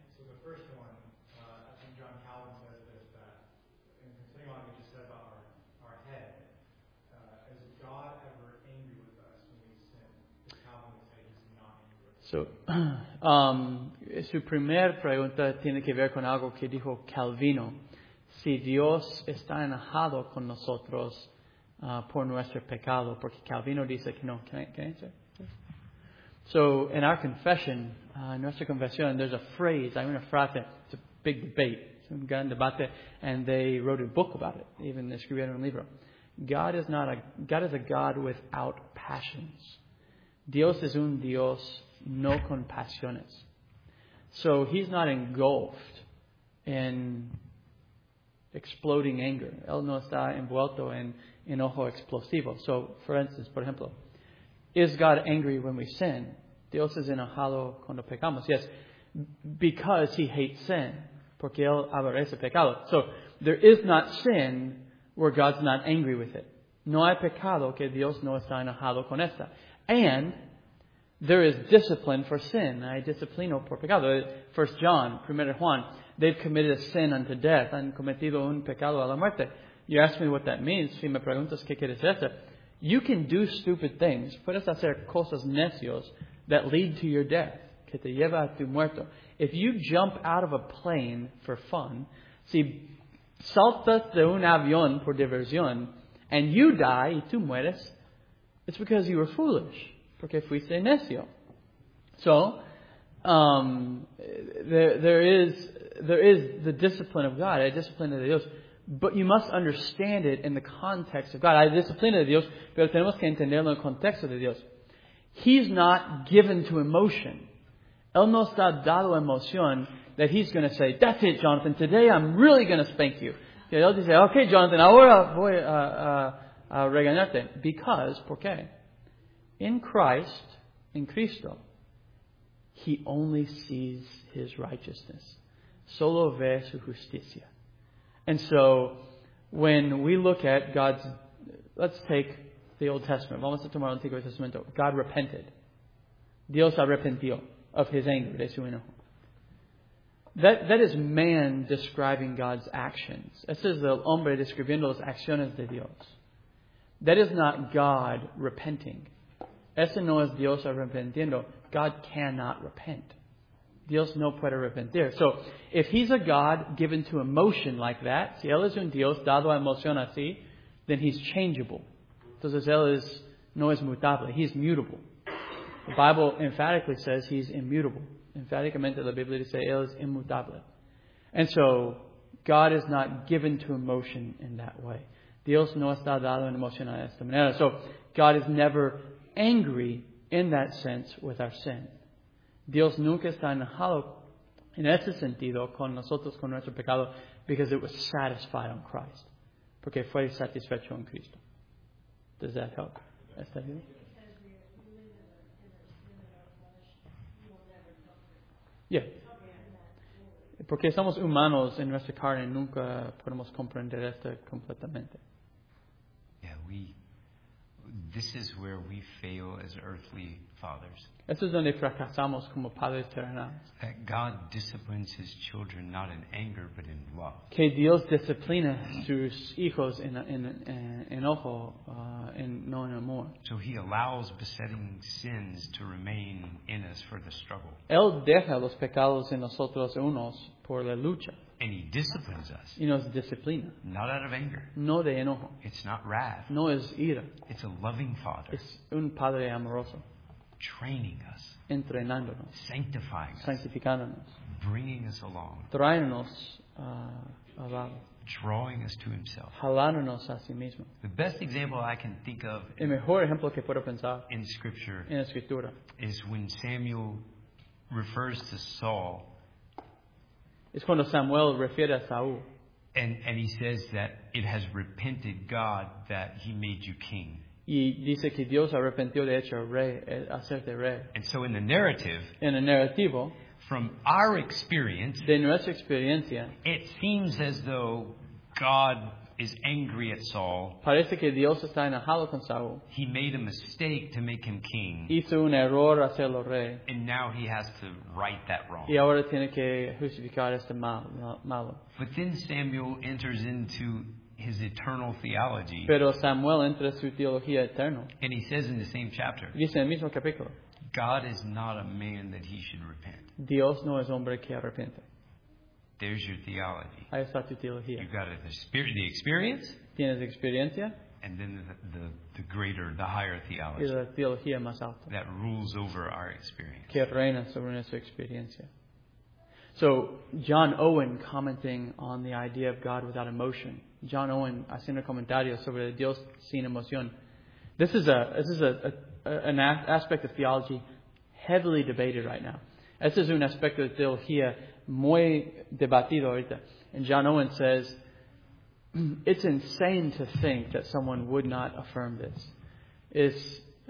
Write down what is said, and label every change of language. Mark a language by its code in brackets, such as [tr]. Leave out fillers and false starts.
[en] So the first one, I think John Calvin says this, that in continuing on what you said about our head, is God ever angry with us when we sin? Calvin would say he's not angry with us. [es] So, su primera pregunta tiene que ver con algo que dijo Calvino. Si Dios está enojado con nosotros por nuestro pecado, porque Calvino dice que no. [en] Can I answer? So, in our confession, [es] nuestra confesión, [en] there's a phrase, I mean a frase, it's a big debate, it's [es] un gran debate, [en] and they wrote a book about it, even [es] escribieron un libro. [en] God is a God without passions. [es] Dios es un Dios no con pasiones. [en] So, he's not engulfed in exploding anger. [es] Él no está envuelto en enojo explosivo. [en] So, for instance, [es] por ejemplo, [en] is God angry when we sin? [es] Dios es enojado cuando pecamos. [en] Yes, because he hates sin. [es] Porque él aborrece pecado. [en] So, there is not sin where God's not angry with it. [es] No hay pecado que Dios no está enojado con esta. [en] And there is discipline for sin. [es] Hay disciplino por pecado. [en] 1 John, 1 Juan. They've committed a sin unto death. [es] Han cometido un pecado a la muerte. [en] You ask me what that means. [es] Si me preguntas qué quiere decir esto. [en] You can do stupid things. [es] Puedes hacer cosas necios [en] that lead to your death. [es] Que te lleva a tu muerto. [en] If you jump out of a plane for fun. [es] Si saltas de un avión por diversión. [en] And you die [es] y tú mueres. [en] It's because you were foolish. [es] Porque fuiste necio. [en] So, there is the discipline of God. [es] Hay disciplina de Dios. [en] But you must understand it in the context of God. [es] Hay disciplina de Dios, pero tenemos que entenderlo en el contexto de Dios. [en] He's not given to emotion. [es] Él no está dado emoción [en] that he's going to say, that's it, Jonathan, today I'm really going to spank you. [es] Y él dice, okay, Jonathan, ahora voy a regañarte. [en] Because, [es] ¿por qué? [en] In Christ, in Cristo, he only sees his righteousness. [es] Solo ve su justicia. [en] And so, when we look at God's, let's take the Old Testament. [es] Vamos a tomar el Antiguo Testamento. [en] God repented. [es] Dios arrepintió [en] of his anger, [es] de su enojo. [en] That is man describing God's actions. [es] Ese es el hombre describiendo las acciones de Dios. [en] That is not God repenting. [es] Ese no es Dios arrepintiendo. [en] God cannot repent. [es] Dios no puede arrepentir. [en] So, if he's a God given to emotion like that, [es] si él es un Dios dado a emoción así, [en] then he's changeable. [es] Entonces, él es, no es mutable. [en] He's mutable. The Bible emphatically says he's immutable. [es] Emphaticamente, la Biblia dice, él es inmutable. [en] And so, God is not given to emotion in that way. [es] Dios no está dado en emoción a esta manera. [en] So, God is never angry in that sense with our sin. [es] Dios nunca está enojado en ese sentido con nosotros, con nuestro pecado, [en] because it was satisfied on Christ. [es] Porque fue satisfecho en Cristo. [en] Does that help? Is that helpful? Yeah. [es] Porque somos humanos en nuestra carne, nunca podemos comprender esto completamente. [en] Yeah, this is where we fail as earthly fathers. [es] Esto es donde fracasamos como padres terrenales. [en] That God disciplines his children not in anger but in love. [es] Que Dios disciplina sus hijos en enojo, no en amor. [en] So he allows besetting sins to remain in us for the struggle. [es] Él deja los pecados en nosotros unos por la lucha. [en] And he disciplines us. [es] Y nos disciplina. [en] Not out of anger. [es] No de enojo. [en] It's not wrath. [es] No es ira. [en] It's a loving father. [es] Es un padre amoroso. [en] Training us. [es] Entrenándonos. [en] Sanctifying us. [es] Sanctificándonos. [en] Bringing us along. [es] Traernos a la. [en] Drawing us to himself. [es] Jalándonos a sí mismo. [en] The best example I can think of. [es] El mejor ejemplo que puedo pensar. [en] In scripture. [es] En escritura. [en] Is when Samuel refers to Saul. [es] Es cuando Samuel refiere a Saúl. [en] And he says that it has repented God that he made you king. [es] Y dice que Dios arrepintió de hecho rey, hacerte rey. [en] And so in the narrative, [es] en el narrativo, [en] from our experience, [es] de nuestra experiencia, [en] it seems as though God is angry at Saul. [es] Parece que Dios está enojado con Saúl. [en] He made a mistake to make him king. [es] Hizo un error hacerlo rey. [en] And now he has to right that wrong. [es] Y ahora tiene que justificar este malo. [en] But then Samuel enters into his eternal theology. [es] Pero Samuel entra su teología eterna. [en] And he says in the same chapter. [es] Dice en el mismo capítulo. [en] God is not a man that he should repent. [es] Dios no es hombre que arrepiente. [en] There's your theology. [es] Ahí está tu teología. [en] You've got the experience. [es] Tienes experiencia. [en] And then the greater, the higher theology. [es] Y la teología más alta. [en] That rules over our experience. [es] Que reina sobre nuestra experiencia. [en] So John Owen commenting on the idea of God without emotion. [es] John Owen haciendo comentarios sobre Dios sin emoción. [en] This is an aspect of theology heavily debated right now. [es] Este es un aspecto de teología muy debatido ahorita. [en] And John Owen says, it's insane to think that someone would not affirm this. Es